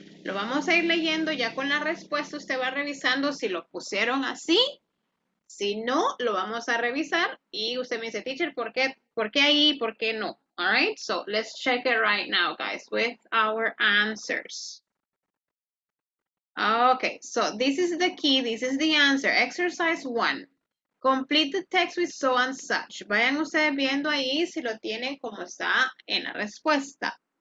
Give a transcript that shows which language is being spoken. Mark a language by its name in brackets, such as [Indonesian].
[Spanish] Lo vamos a ir leyendo ya con la respuesta. Usted va revisando si lo pusieron así. Si no, lo vamos a revisar. Y usted me dice, teacher, ¿por qué ahí? ¿Por qué no? [English] All right, so let's check it right now, guys, with our answers. Okay, so this is the key, this is the answer. Exercise 1. Complete the text with so and such. [Spanish] Vayan ustedes viendo ahí si lo tienen como está en la respuesta.